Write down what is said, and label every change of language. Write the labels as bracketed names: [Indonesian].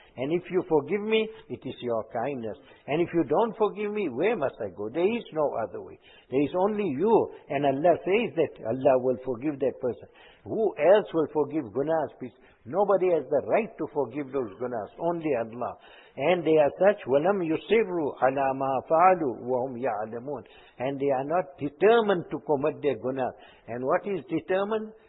[English] And if you forgive me, it is your kindness. And if you don't forgive me, where must I go? There is no other way. There is only you. And Allah says that Allah will forgive that person. Who else will forgive gunas? Nobody has the right to forgive those gunas. Only Allah. And they are such, [Arabic] وَلَمْ يُصِرُّ عَلَىٰ مَا فَعَلُوا وَهُمْ يَعْلَمُونَ. [English] And they are not determined to commit their gunas. And what is determined?